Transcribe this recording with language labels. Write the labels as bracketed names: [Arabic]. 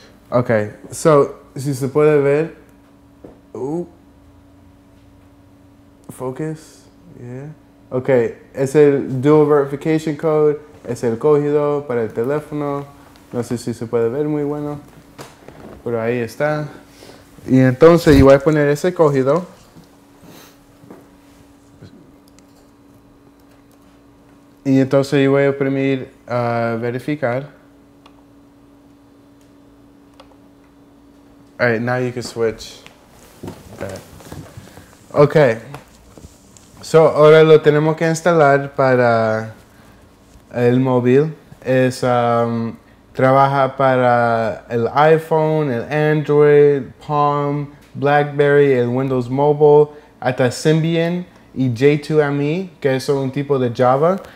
[Spanish] Ok, so, si se puede ver, focus, yeah, ok, es el dual verification code, es el cogido para el teléfono, no sé si se puede ver muy bueno, pero ahí está, y entonces yo voy a poner ese cogido, y entonces yo voy a oprimir verificar. [English] All right, now you can switch that. Okay. [Spanish] So, ahora lo tenemos que instalar para el móvil. Es, trabaja para el iPhone, el Android, Palm, BlackBerry, el Windows Mobile, hasta Symbian y J2ME, que es un tipo de Java.